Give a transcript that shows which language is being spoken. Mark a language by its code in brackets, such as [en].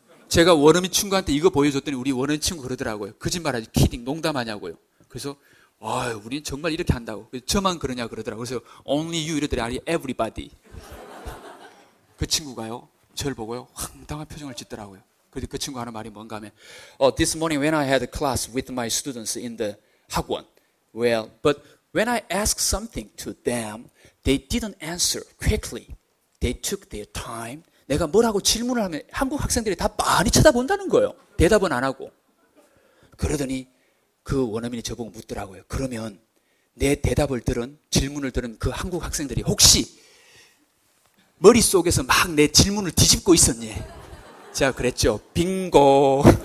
[ko] 제가 원어민 친구한테 이거 보여줬더니 우리 원어민 친구 그러더라고요. 거짓말하지, 키딩, 농담하냐고요. 그래서 아유, 우린 정말 이렇게 한다고. 저만 그러냐 그러더라고요. 그래서 [en] only you [ko] 이러더니 아니 everybody. 그 친구가요, 저를 보고요 황당한 표정을 짓더라고요. 그래서 그 친구 하는 말이 뭔가 하면 [en] Oh, this morning when I had a class with my students in the 학원, well, but when I asked something to them, they didn't answer quickly. They took their time. [ko] 내가 뭐라고 질문을 하면 한국 학생들이 다 많이 쳐다본다는 거예요. 대답은 안 하고. 그러더니 그 원어민이 저보고 묻더라고요. 그러면 내 대답을 들은, 질문을 들은 그 한국 학생들이 혹시 머릿속에서 막 내 질문을 뒤집고 있었니? 제가 그랬죠. 빙고.